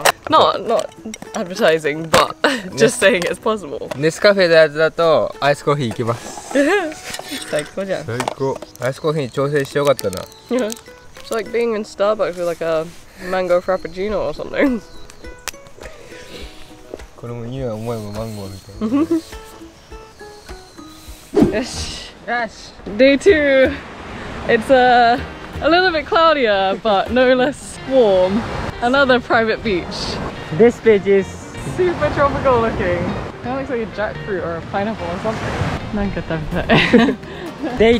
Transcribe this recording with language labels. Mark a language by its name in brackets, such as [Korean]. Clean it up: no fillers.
[English] Not advertising, but just saying it's possible. [Japanese] Nescafe だとice coffee いきます. 最高じゃん。最高. Ice coffee 調整してよかったな. [English] It's like being in Starbucks with like a mango frappuccino or something. [Japanese] これも匂い思えばマンゴーみたいな. [English] Yes. Day two. It's a little bit cloudier, but no less warm. Another private beach. This beach is super tropical looking. Kind of looks like a jackfruit or a pineapple or something. [Japanese] なんか食べたい.